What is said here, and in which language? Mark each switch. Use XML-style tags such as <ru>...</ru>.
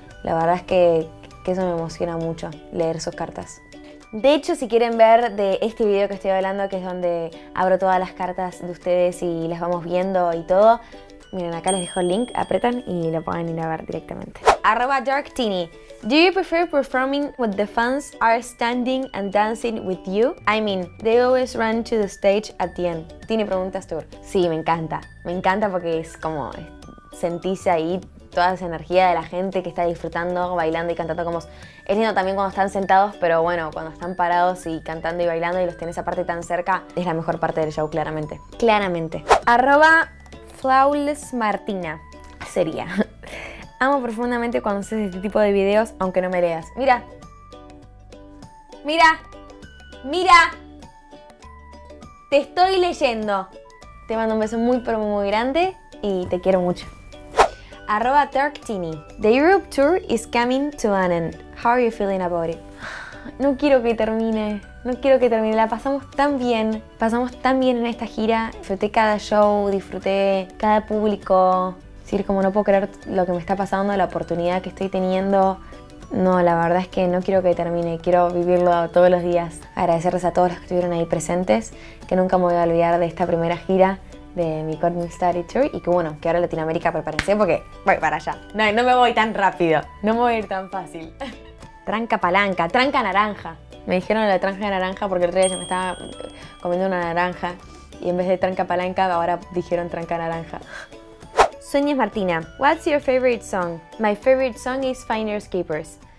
<es>La verdad es que eso me emociona mucho, leer sus cartas. De hecho, si quieren ver de este video que estoy hablando, que es donde abro todas las cartas de ustedes y las vamos viendo y todo, miren, acá les dejo el link, apretan y lo pueden ir a ver directamente. Arroba DarkTini.</es> <en>Do you prefer performing when the fans are standing and dancing with you? I mean, they always run to the stage at the end.</en> <es>Tini preguntas tour. Sí, me encanta. Me encanta porque es como sentís ahí toda esa energía de la gente que está disfrutando, bailando y cantando como... Es lindo también cuando están sentados, pero bueno, cuando están parados y cantando y bailando y los tenés aparte tan cerca, es la mejor parte del show, claramente. Claramente. Arroba Flawless Martina. Sería. Amo profundamente cuando haces este tipo de videos, aunque no me leas. ¡Mira! ¡Mira! ¡Mira! Te estoy leyendo. Te mando un beso muy, pero muy grande y te quiero mucho. Arroba DarkTini.</es> <en>The Europe Tour is coming to an end. How are you feeling about it?</en> <es>No quiero que termine. No quiero que termine. La pasamos tan bien. Pasamos tan bien en esta gira. Disfruté cada show, disfruté cada público. Sí, como no puedo creer lo que me está pasando, la oportunidad que estoy teniendo. No, la verdad es que no quiero que termine. Quiero vivirlo todos los días. Agradecerles a todos los que estuvieron ahí presentes. Que nunca me voy a olvidar de esta primera gira de mi Got Me Study Tour y que bueno, que ahora Latinoamérica prepárense porque voy para allá. No, no me voy tan rápido. No me voy a ir tan fácil. Tranca palanca, tranca naranja. Me dijeron la tranca naranja porque el otro día ya me estaba comiendo una naranja y en vez de tranca palanca ahora dijeron tranca naranja. Sonia es Martina.</es> <en>What's your favorite song? My favorite song is Finders Keepers.</en>